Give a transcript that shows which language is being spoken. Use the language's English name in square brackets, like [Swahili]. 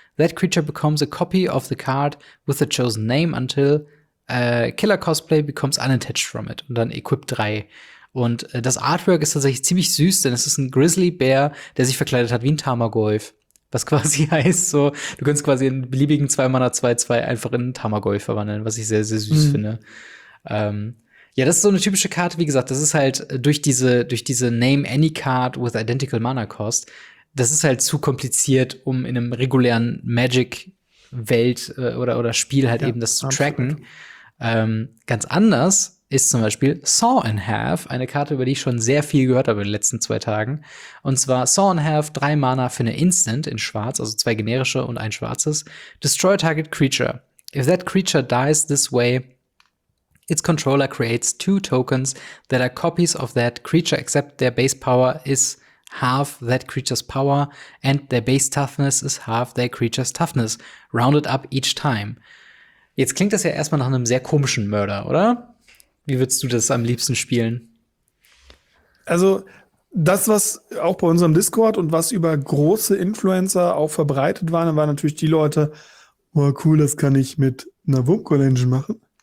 [English] That creature becomes a copy of the card with the chosen name until Killer-Cosplay becomes unattached from it. [German] Und dann equip 3. Und das Artwork ist tatsächlich ziemlich süß, denn es ist ein Grizzly-Bär, der sich verkleidet hat wie ein Tamagolf. Was quasi heißt so, du kannst quasi einen beliebigen 2-Mana-2-2 einfach in einen Tamagoy verwandeln, was ich sehr, sehr süß finde. Ja, das ist so eine typische Karte, wie gesagt, das ist halt durch diese [English] Name Any Card with Identical Mana Cost, [German] das ist halt zu kompliziert, um in einem regulären Magic-Welt oder Spiel halt eben das zu tracken. Ganz anders ist zum Beispiel Saw in Half, eine Karte, über die ich schon sehr viel gehört habe in den letzten zwei Tagen. Und zwar Saw in Half, 3 Mana für eine Instant in Schwarz, also 2 generische und 1 schwarzes. [English] Destroy target creature. If that creature dies this way, its controller creates 2 tokens that are copies of that creature, except their base power is half that creature's power and their base toughness is half their creature's toughness, rounded up each time. [German] Jetzt klingt das ja erstmal nach einem sehr komischen Murder, oder? Wie würdest du das am liebsten spielen? Also, das, was auch bei unserem Discord und was über große Influencer auch verbreitet war, dann waren natürlich die Leute, oh, cool, das kann ich mit einer Wurmcoil-Engine machen.